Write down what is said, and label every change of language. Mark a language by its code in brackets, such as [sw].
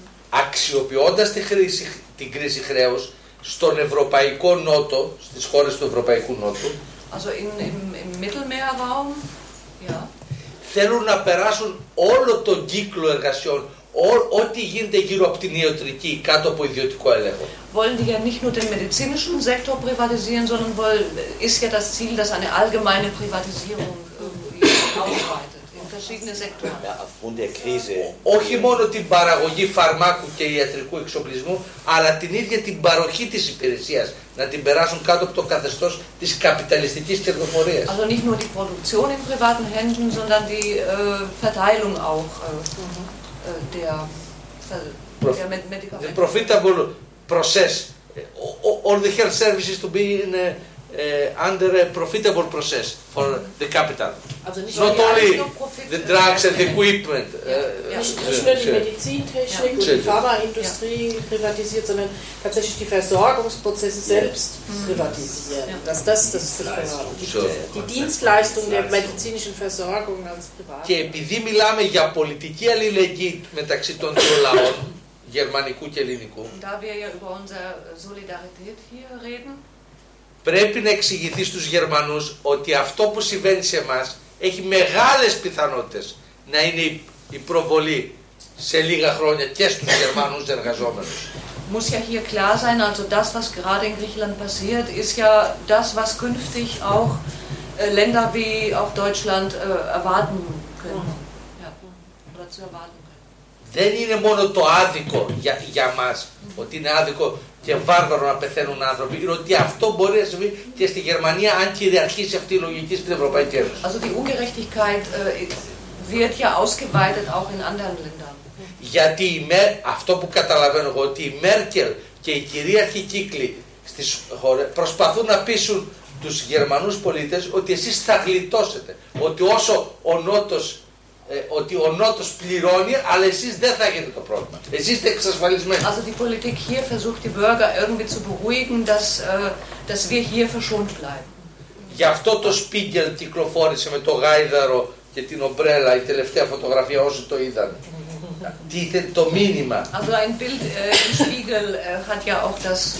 [el] Αξιοποιώντας την κρίση χρέους στον Ευρωπαϊκό Νότο, στις χώρες του Ευρωπαϊκού Νότου. [de] Also im Mittelmeerraum, ja. [el] Θέλουν να περάσουν όλο τον κύκλο εργασιών, ό,τι γίνεται γύρω από την ιατρική κάτω από ιδιωτικό έλεγχο. [de] Wollen die ja nicht nur den medizinischen Sektor privatisieren, sondern ist ja das Ziel, dass eine allgemeine Privatisierung ausweitet in verschiedene Sektoren. Ja, aufgrund der Krise. [el] Όχι μόνο την παραγωγή φαρμάκου και ιατρικού εξοπλισμού, αλλά την ίδια την παροχή της υπηρεσίας, να την περάσουν κάτω από το καθεστώς της καπιταλιστικής κερδοφορίας. [de] Also nicht nur die Produktion in privaten Händen, sondern die Verteilung auch der Medikamente. [en] The profitable process, all the health services to be in under a profitable process for the capital. [de] Also nicht [en] not only the drugs and the equipment. [de] Nicht nur die Medizintechnik, die Pharmaindustrie privatisiert, sondern tatsächlich die Versorgungsprozesse selbst privatisieren. Das ist das Problem. Die Dienstleistung der medizinischen Versorgung als privat. [el] Και επειδή μιλάμε για πολιτική αλληλεγγύη μεταξύ των δύο λαών, γερμανικού και ελληνικού. [de] Da wir ja über unsere Solidarität hier reden. [el] Πρέπει να εξηγηθεί στους Γερμανούς ότι αυτό που συμβαίνει σε εμάς έχει μεγάλες πιθανότητες να είναι η προβολή σε λίγα χρόνια και στους Γερμανούς εργαζόμενους. [de] Muss ja hier klar sein, also das, was gerade in Griechenland passiert, ist ja das, was künftig auch Länder wie auch Deutschland erwarten können. Ja. Oder zu erwarten können. [el] Δεν είναι μόνο το άδικο για μας, ότι είναι άδικο και βάρβαρο να πεθαίνουν άνθρωποι, είναι ότι αυτό μπορεί να συμβεί και στη Γερμανία αν κυριαρχήσει αυτή η λογική στην Ευρωπαϊκή Ένωση. [de] Also die Ungerechtigkeit wird ja ausgeweitet auch in anderen Ländern. [el] Γιατί αυτό που καταλαβαίνω εγώ, ότι η Μέρκελ και οι κυρίαρχοι κύκλοι στις χώρες προσπαθούν να πείσουν τους Γερμανούς πολίτες ότι εσείς θα γλιτώσετε, ότι όσο ο Νότος ότι ο Νότος πληρώνει, αλλά εσείς δεν θα έχετε το πρόβλημα. Εσείς είστε εξασφαλισμένοι. [de] Also die Politik hier versucht die Bürger irgendwie zu beruhigen, dass wir hier verschont bleiben. [el] Γι' αυτό το Spiegel κυκλοφόρησε με το γάιδαρο και την ομπρέλα, η τελευταία φωτογραφία όσοι το είδαν. Τι ήταν το μήνυμα. [de] Also ein Bild im Spiegel hat ja auch das.